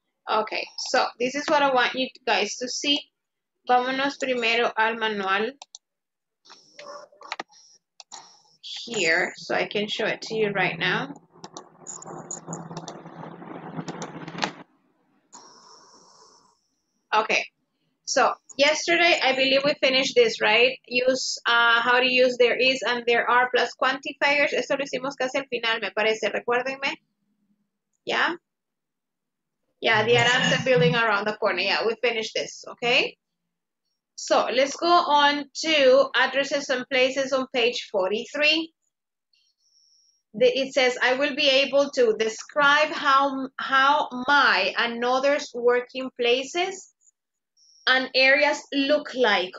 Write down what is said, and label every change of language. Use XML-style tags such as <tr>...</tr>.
<en>Okay, so this is what I want you guys to see.</en> <es>Vámonos primero al manual</es> <en>here, so I can show it to you right now. Okay, so yesterday, I believe we finished this, right? Use, how to use there is and there are plus quantifiers.</en> <es>Esto lo hicimos casi al final, me parece, recuérdenme.</es> <en>Yeah? Yeah, the Adams are building around the corner. Yeah, we finished this, okay? So let's go on to addresses and places on page 43. It says, I will be able to describe how my and others' working places and areas look like.</en>